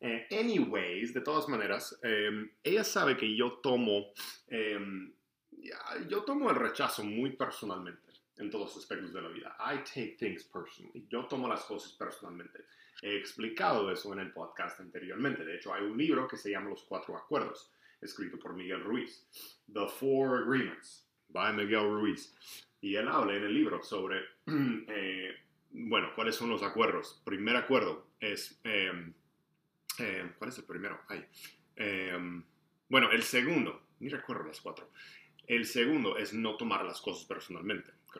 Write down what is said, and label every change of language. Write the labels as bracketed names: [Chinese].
[Spanish] Anyways, de todas maneras, ella sabe que yo tomo el rechazo muy personalmente en todos los aspectos de la vida. [English] I take things personally, [Spanish] yo tomo las cosas personalmente. He explicado eso en el podcast anteriormente. De hecho, hay un libro que se llama Los Cuatro Acuerdos, escrito por Miguel Ruiz. [English] The Four Agreements, by Miguel Ruiz. [Spanish] Y él habla en el libro sobre, bueno, ¿cuáles son los acuerdos? Primer acuerdo es, ¿cuál es el primero? Ay. Bueno, el segundo, ni recuerdo los cuatro. El segundo es no tomar las cosas personalmente.